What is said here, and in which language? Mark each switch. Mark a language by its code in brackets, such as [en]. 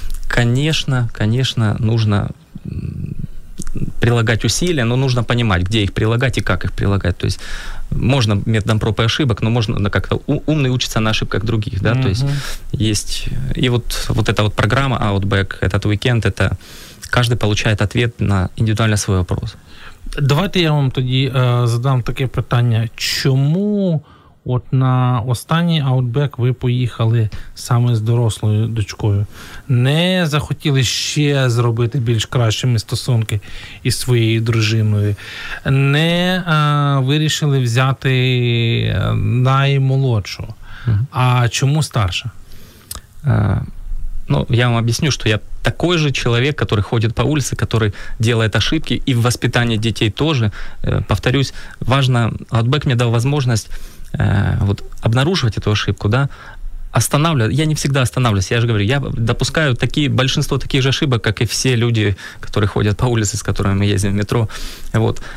[ru] Конечно, нужно прилагать усилия, но нужно понимать, где их прилагать и как их прилагать. То есть можно методом проб и ошибок, но можно как-то умный учиться на ошибках других. Да? Mm-hmm. То есть и вот эта вот программа Outback, этот уикенд, это каждый получает ответ на индивидуально свой вопрос. Давайте я вам тогда задам такое питание. [uk] Чому от на останній аутбек ви поїхали саме з дорослою дочкою? Не захотіли ще зробити більш кращими стосунки із своєю дружиною? Не вирішили взяти наймолодшу? Угу. А чому старша? [ru] Ну, [uk] я вам об'ясню, що [ru] я такой же человек, который ходит по улице, который делает ошибки, и в воспитании детей тоже. Повторюсь, важно, аутбек мне дал возможность вот обнаруживать эту ошибку, да, останавливаю. Я не всегда останавливаюсь, я же говорю, я допускаю большинство таких же ошибок, как и все люди, которые ходят по улице, с которыми мы ездим в метро. Вот.